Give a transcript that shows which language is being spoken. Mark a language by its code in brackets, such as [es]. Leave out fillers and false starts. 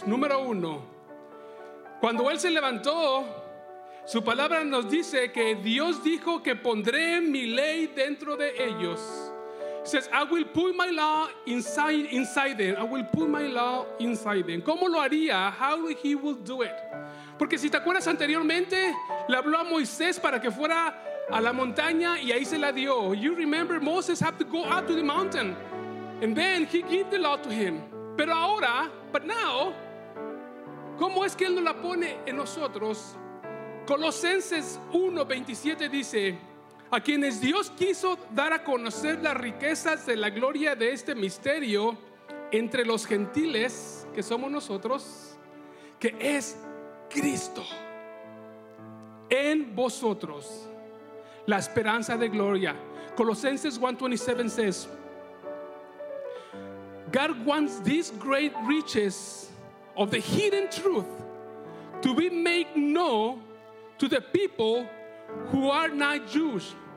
[es] Número uno, cuando Él se levantó, su palabra nos dice que Dios dijo que pondré mi ley dentro de ellos. [en] Says, I will put my law inside them. I will put my law inside them. [es] ¿Cómo lo haría? [en] How he will do it? [es] Porque si te acuerdas anteriormente, le habló a Moisés para que fuera a la montaña y ahí se la dio. [en] You remember Moses had to go out to the mountain. And then he gave the law to him. [es] Pero ahora, [en] but now, [es] ¿cómo es que él no la pone en nosotros? Colosenses 1:27 dice, a quienes Dios quiso dar a conocer las riquezas de la gloria de este misterio entre los gentiles, que somos nosotros, que es Cristo en vosotros, la esperanza de gloria. [en] Colosenses 1:27 says, God wants these great riches of the hidden truth to be made known to the people who are not Jews.